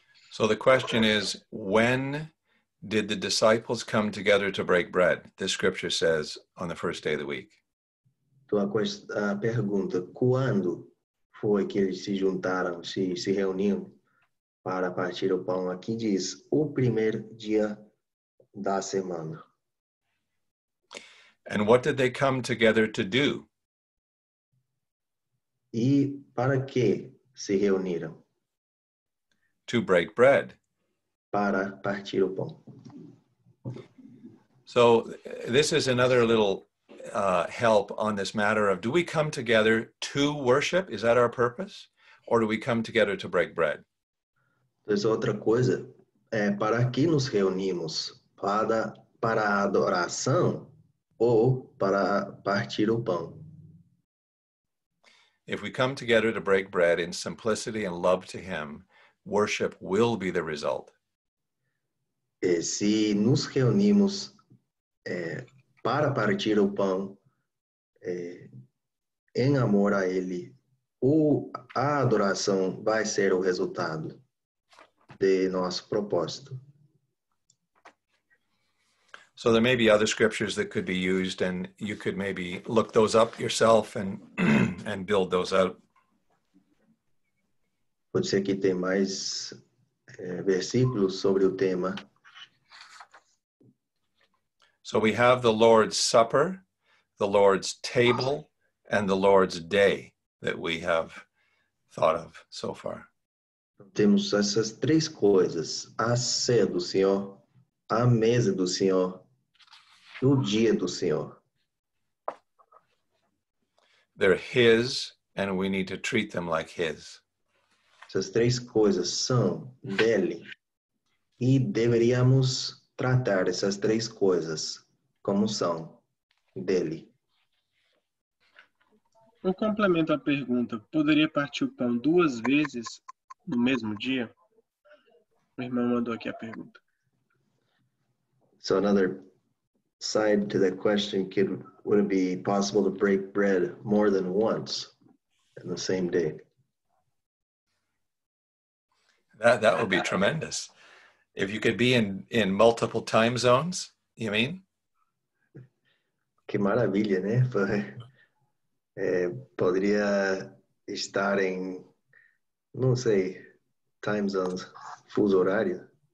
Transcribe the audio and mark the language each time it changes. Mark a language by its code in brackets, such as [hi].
[en] So the question is, when did the disciples come together to break bread? This scripture says on the first day of the week. [pt] Então a pergunta, quando foi que eles se juntaram, se reuniram para partir o pão? Aqui diz, o primeiro dia da semana. [en] And what did they come together to do? [pt] E para que se reuniram? [en] To break bread. [pt] Para partir o pão. [en] So, this is another little help on this matter of, do we come together to worship? Is that our purpose? Or do we come together to break bread? [pt] Pois outra coisa, para que nos reunimos? Para adoração ou para partir o pão? [en] If we come together to break bread in simplicity and love to Him, worship will be the result. [pt] Se nos reunimos para partir o pão em amor a Ele, a adoração vai ser o resultado de nosso propósito. [en] So there may be other scriptures that could be used, and you could maybe look those up yourself and build those up. [pt] Pode ser que tem mais versículos sobre o tema. [en] So we have the Lord's Supper, the Lord's table, and the Lord's day that we have thought of so far. [pt] Temos essas três coisas: a ceia do Senhor, a mesa do Senhor, e o dia do Senhor. [en] They're His, and we need to treat them like His. [pt] Essas três coisas são dele, e deveríamos tratar essas três coisas como são dele. Um complemento à pergunta: poderia partir o pão duas vezes no mesmo dia? O irmão mandou aqui a pergunta. [en] So another side to the question: would it be possible to break bread more than once in the same day? That would be tremendous. If you could be in multiple time zones, you mean? [pt] Que maravilha, né? Poderia estar em, não sei, time zones, fuso horário.